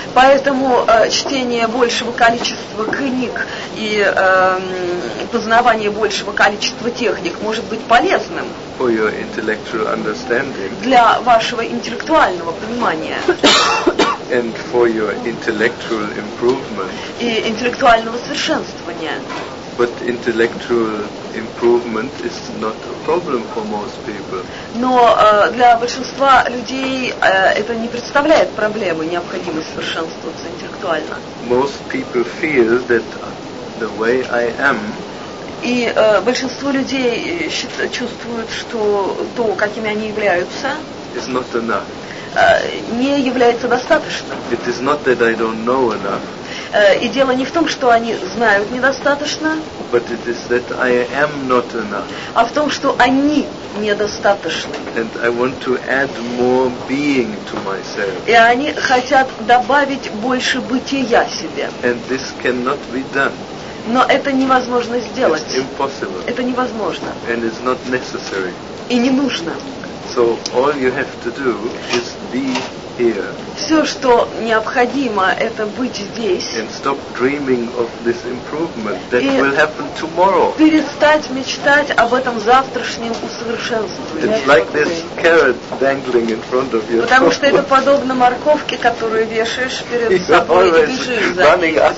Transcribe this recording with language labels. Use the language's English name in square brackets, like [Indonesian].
[Russian] Поэтому чтение большего количества книг и познавание большего количества техник может быть полезным. [English] For your intellectual understanding. [Russian] Для вашего интеллектуального понимания. [English] And for your intellectual improvement. [Russian] И интеллектуального совершенствования. [English] But intellectual improvement is not a problem for most people. [Russian] Но для большинства людей это не представляет проблемы, необходимость совершенствоваться интеллектуально. [English] Most people feel that the way I am. [Russian] И большинство людей чувствуют, что то, какими они являются, [English] is not enough. [Russian] Не является достаточным. [English] It is not that I don't know enough. [Russian] И дело не в том, что они знают недостаточно, [English] but it is that I am not enough. [Russian] А в том, что они недостаточны. [English] And I want to add more being to myself. [Russian] И они хотят добавить больше бытия себе. [English] And this cannot be done. [Russian] Но это невозможно сделать. [English] It's impossible. [Russian] Это невозможно. [English] And it's not necessary. [Russian] И не нужно. [English] So all you have to do is be here. [Russian] Все, что необходимо, это быть здесь. [English] And stop dreaming of this improvement that will happen tomorrow. [Russian] Перестать мечтать об этом завтрашнем усовершенствовании. [English] It's like this carrot dangling in front of you. [Russian] Потому что это подобно морковке, которую вешаешь перед собой и бежишь за ней.